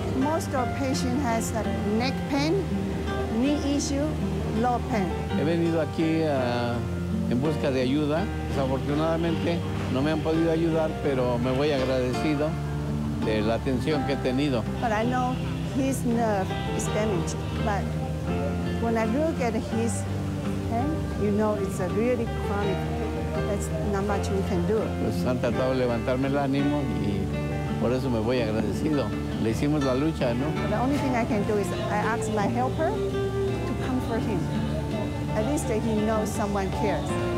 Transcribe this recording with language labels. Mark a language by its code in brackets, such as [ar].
[en] Most of patients has neck pain, knee issue, low pain. [es] He venido aquí en busca de ayuda. Desafortunadamente no me han podido ayudar, pero me voy agradecido de la atención que he tenido. [en] But I know his nerve is damaged. But when I look at his hand, you know it's a really chronic. That's not much we can do. [es] Pues han tratado de levantarme el ánimo y por eso me voy agradecido. Le hicimos la lucha, ¿no? [en] The only thing I can do is I ask my helper to comfort him. At least he knows someone cares.